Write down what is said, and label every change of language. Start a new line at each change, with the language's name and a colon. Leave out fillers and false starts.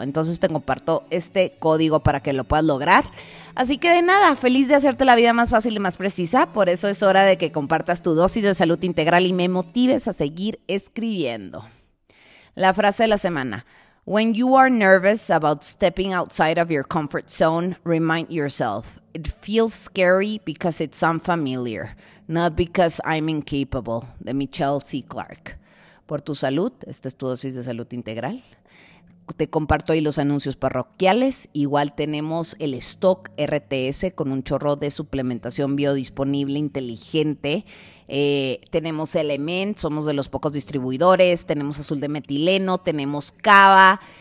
Spanish: Entonces te comparto este código para que lo puedas lograr. Así que de nada, feliz de hacerte la vida más fácil y más precisa. Por eso es hora de que compartas tu dosis de salud integral y me motives a seguir escribiendo. La frase de la semana.
English: When you are nervous about stepping outside of your comfort zone, remind yourself, it feels scary because it's unfamiliar, not because I'm incapable, de Michelle C. Clark.
Spanish: Por tu salud, esta es tu dosis de salud integral. Te comparto ahí los anuncios parroquiales. Igual tenemos el stock RTS con un chorro de suplementación biodisponible inteligente. Tenemos Element, somos de los pocos distribuidores. Tenemos azul de metileno, tenemos cava.